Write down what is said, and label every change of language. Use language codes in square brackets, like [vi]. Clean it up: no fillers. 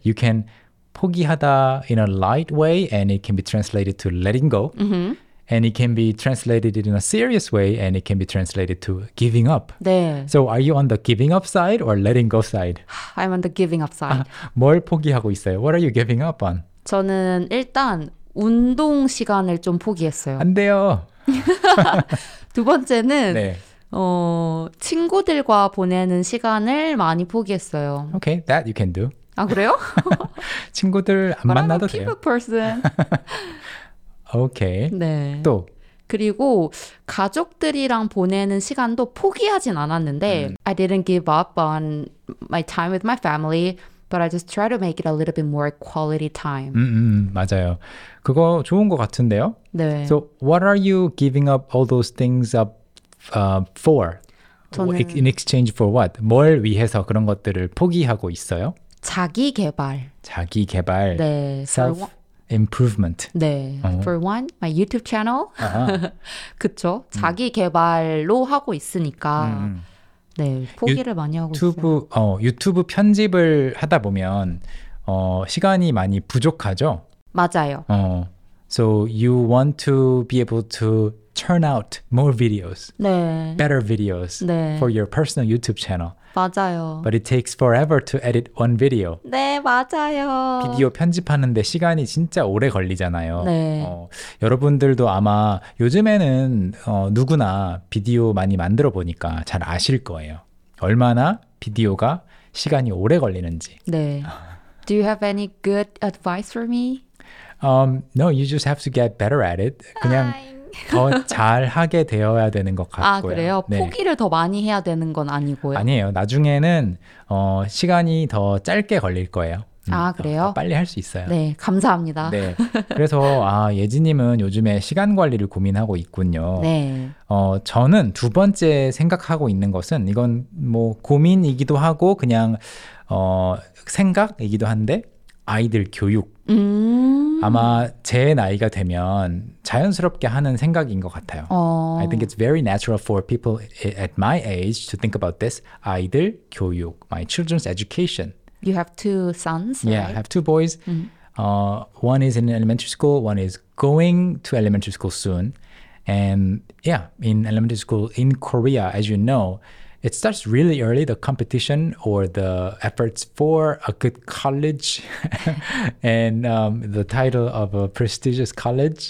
[en] You can 포기하다 in a light way and it can be translated to letting go. And it can be translated in a serious way and it can be translated to giving up. [ko] 네. [en] So are you on the giving up side or letting go side? I'm on the giving up side. [ko] 뭘 포기하고 있어요? [en] What are you giving up on? [ko] 저는 일단 운동 시간을 좀 포기했어요. 안 돼요. 두 번째는 친구들과 보내는 시간을 많이 포기했어요. [en] Okay, that you can do. [ko] 아, 그래요? 친구들 안 만나도 돼요. [en] I'm a people person. [ko] 오케이. 네. 또? 그리고 가족들이랑 보내는 시간도 포기하진 않았는데 [en] I didn't give up on my time with my family, but I just try to make it a little bit more quality time. [ko] 맞아요. 그거 좋은 것 같은데요? 네. [en] So what are you giving up all those things up for? [ko] 저는 [en] In exchange for what? [ko] 뭘 위해서 그런 것들을 포기하고 있어요? 자기 개발. 자기 개발. 네. [en] Self improvement. 네. For one, my YouTube channel. [ko] 그쵸. 자기 개발로 하고 있으니까 네, 포기를 많이 하고 있어요. 유튜브 편집을 하다 보면 시간이 많이 부족하죠? 맞아요. [en] So you want to be able to turn out more videos. [ko] 네. [en] Better videos [ko] 네. [en] for your personal YouTube channel. [ko] 맞아요. [en] But it takes forever to edit one video. [ko] 네, 맞아요. 비디오 편집하는데 시간이 진짜 오래 걸리잖아요. 네. 여러분들도 아마 요즘에는 누구나 비디오 많이 만들어 보니까 잘 아실 거예요. 얼마나 비디오가 시간이 오래 걸리는지. 네. [en] Do you have any good advice for me? No, you just have to get better at it. [ko] 그냥 더 잘하게 되어야 되는 것 같고요. 아, 그래요? 네. 포기를 더 많이 해야 되는 건 아니고요? 아니에요. 나중에는 시간이 더 짧게 걸릴 거예요. 아, 그래요? 빨리 할 수 있어요. 네, 감사합니다. 네. 그래서 아, 예지님은 요즘에 시간 관리를 고민하고 있군요. 네. 저는 두 번째 생각하고 있는 것은 이건 뭐 고민이기도 하고 그냥 생각이기도 한데 아이들 교육. 아마 제 나이가 되면 자연스럽게 하는 생각인 것 같아요. [en] I think it's very natural for people at my age to think about this. [ko] 아이들 교육, [en] my children's education. You have two sons, yeah, Yeah, I have two boys. One is in elementary school, one is going to elementary school soon. And yeah, in elementary school in Korea, as you know, it starts really early, the competition or the efforts for a good college and the title of a prestigious college.